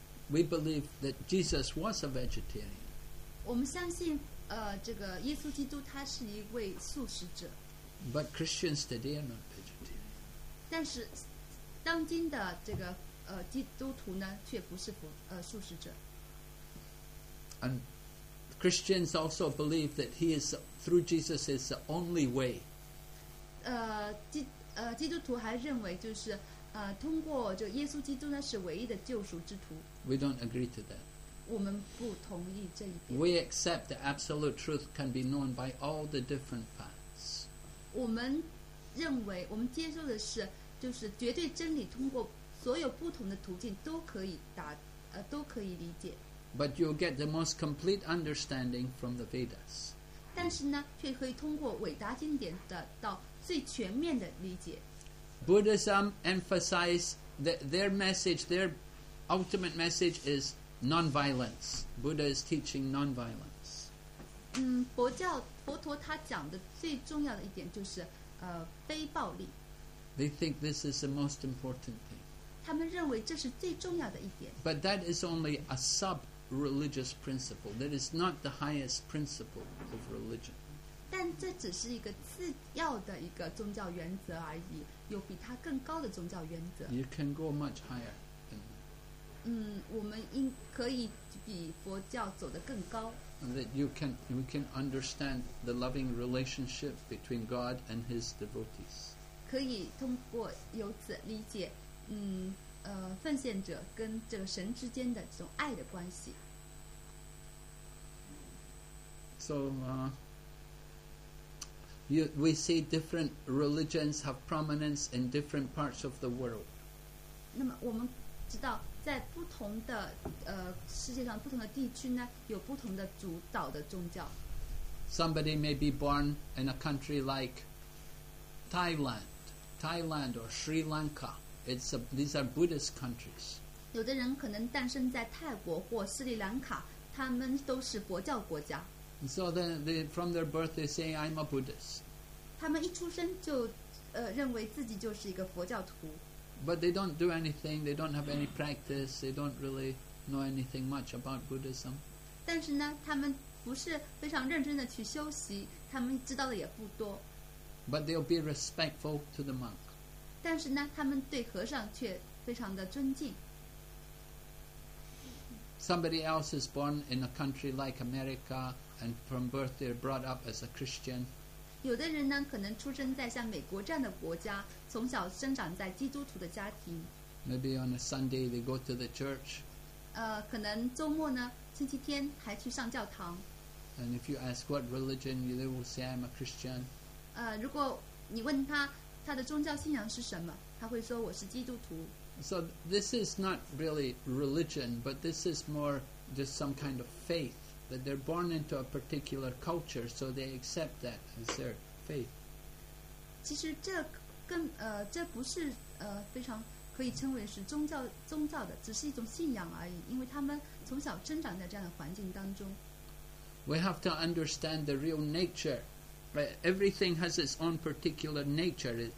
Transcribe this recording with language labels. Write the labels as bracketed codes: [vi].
[en] We believe that Jesus was a vegetarian. [zh] 我们相信，这个耶稣基督他是一位素食者。 [en] But Christians today are not vegetarian. [zh] 但是，当今的这个基督徒呢，却不是素食者。 [en] And Christians also believe that he is through Jesus is the only way. [zh] 基督徒还认为就是通过这耶稣基督呢是唯一的救赎之途。 [en] We don't agree to that. [zh] 我们不同意这一点。 [en] We accept the absolute truth can be known by all the different paths. [zh] 我们认为我们接受的是就是绝对真理通过所有不同的途径都可以达都可以理解。 [en] But you'll get the most complete understanding from the Vedas. [zh] 但是呢，却可以通过伟大经典得到最全面的理解。 [en] Buddhism emphasizes that their message, their ultimate message is non-violence. Buddha is teaching non-violence. [zh] 佛教佛陀他讲的最重要的一点就是非暴力。 [en] They think this is the most important thing. [zh] 他们认为这是最重要的一点。 [en] But that is only a sub. Religious principle that is not the highest principle of religion. [zh] 但这只是一个次要的一个宗教原则而已，有比它更高的宗教原则。 [en] You can go much higher than that. [zh] 我们应可以比佛教走得更高。 [en] And that we can understand the loving relationship between God and His devotees. [zh] 可以通过由此理解，奉献者跟这个神之间的这种爱的关系。 [en] So, we see different religions have prominence in different parts of the world. [zh] 那么我们知道，在不同的世界上不同的地区呢，有不同的主导的宗教。 [en] Somebody may be born in a country like Thailand or Sri Lanka. These are Buddhist countries. [zh] 有的人可能诞生在泰国或斯里兰卡，他们都是佛教国家。 [en] So then, from their birth, they say, "I'm a Buddhist." [zh] 他们一出生就，认为自己就是一个佛教徒。 [en] But they don't do anything. They don't have any practice. They don't really know anything much about Buddhism. [zh] 但是呢，他们不是非常认真的去修习，他们知道的也不多。 [en] But they'll be respectful to the monk. [zh] 但是呢，他们对和尚却非常的尊敬。 [en] Somebody else is born in a country like America, and from birth they're brought up as a Christian. [zh] 有的人呢，可能出生在像美国这样的国家，从小生长在基督徒的家庭。 [en] Maybe on a Sunday they go to the church. [zh] 可能周末呢，星期天还去上教堂。 [en] And if you ask what religion, they will say I'm a Christian. [zh] 如果你问他。他的宗教信仰是什么？他会说我是基督徒。 [en] So this is not really religion, but this is more just some kind of faith that they're born into a particular culture, so they accept that as their faith. [zh] 其实这更这不是非常可以称为是宗教的，只是一种信仰而已，因为他们从小生长在这样的环境当中。 [en] We have to understand the real nature. But everything has its own particular nature.